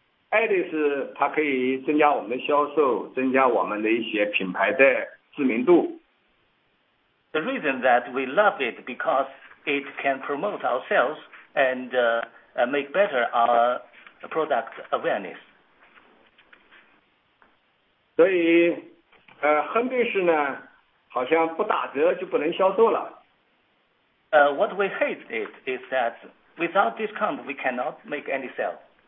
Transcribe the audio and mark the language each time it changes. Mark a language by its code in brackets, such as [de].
[zh] 爱的是它可以增加我们销售，增加我们的一些品牌的知名度。 [en] The reason that we love it because it can promote ourselves and make better our product awareness. [zh] 所以，恨的是呢，好像不打折就不能销售了。 [en] What we hate it is that without discount we cannot make any sale.